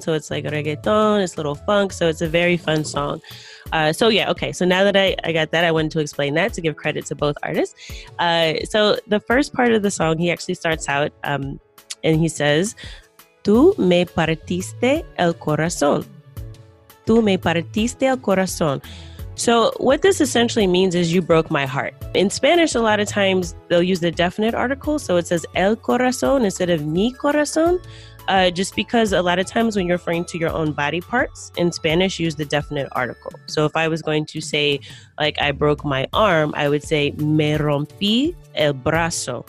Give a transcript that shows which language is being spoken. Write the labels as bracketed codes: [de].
[en] So it's like reggaeton, it's a little funk. So it's a very fun song. So now that I got that, I wanted to explain that to give credit to both artists. So the first part of the song, he actually starts out and he says, [es] "Tú me partiste el corazón. Tú me partiste el corazón." [en] So what this essentially means is you broke my heart. In Spanish, a lot of times they'll use the definite article. So it says [es] el corazón [en] instead of [es] mi corazón. [en] Just because a lot of times when you're referring to your own body parts in Spanish, use the definite article. So if I was going to say, like, I broke my arm, I would say [es] me rompí el brazo.